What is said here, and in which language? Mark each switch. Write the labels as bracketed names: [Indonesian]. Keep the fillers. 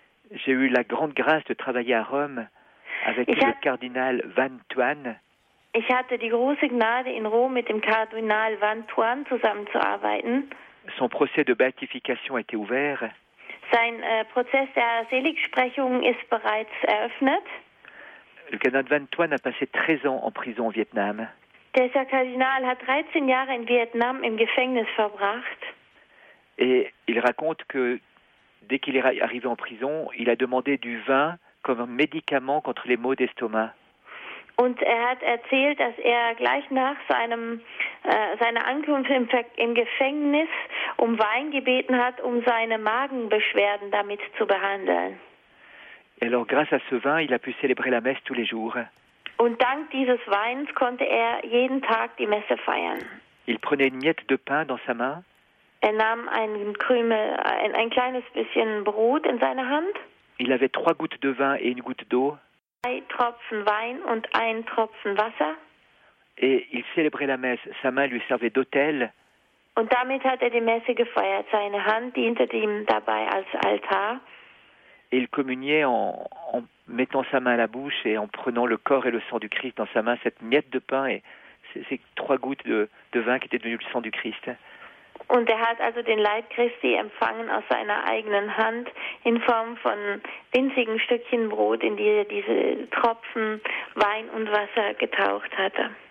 [French] J'ai eu la grande grâce de travailler à Rome avec Et ça- le cardinal Van Tuan, [German] Ich hatte die große Gnade, in Rom mit dem Kardinal Van Tuan zusammenzuarbeiten. [French] Son procès de béatification a été ouvert [German] Sein äh, Prozess der Seligsprechung ist bereits eröffnet. [French] Le cardinal Van Tuan a passé 13 ans en prison au Vietnam. [German] Dieser Kardinal hat 13 Jahre in Vietnam im Gefängnis verbracht. [French] Et il raconte que dès qu'il est ra- arrivé en prison, il a demandé du vin comme un médicament contre les maux d'estomac. [German] Und er hat erzählt, dass er gleich nach seinem, äh, seiner Ankunft im, Ver im Gefängnis um Wein gebeten hat, um seine Magenbeschwerden damit zu behandeln. [French] Et alors, grâce à ce vin, il a pu célébrer la messe tous les jours. [German] Und dank dieses Weins konnte er jeden Tag die Messe feiern. [French] Il prenait une miette de pain dans sa main [German] Er nahm einen Krümel, ein, ein kleines bisschen Brot in seine Hand, [French] Il avait trois gouttes de vin et une goutte d'eau, [German] drei Tropfen Wein und einen Tropfen Wasser. [French] et il célébrait la messe. Sa main lui servait d'autel, [German] Und damit hat er die Messe gefeiert. Seine Hand diente ihm dabei als Altar. [French] et il communiait en, en mettant sa main à la bouche et en prenant le corps et le sang du Christ dans sa main, cette miette de pain et ces, ces trois gouttes de, de vin qui étaient devenues le sang du Christ. [German] Und er hat also den Leib Christi empfangen aus seiner eigenen Hand in Form von winzigen Stückchen Brot, in die er diese Tropfen Wein und Wasser getaucht hatte.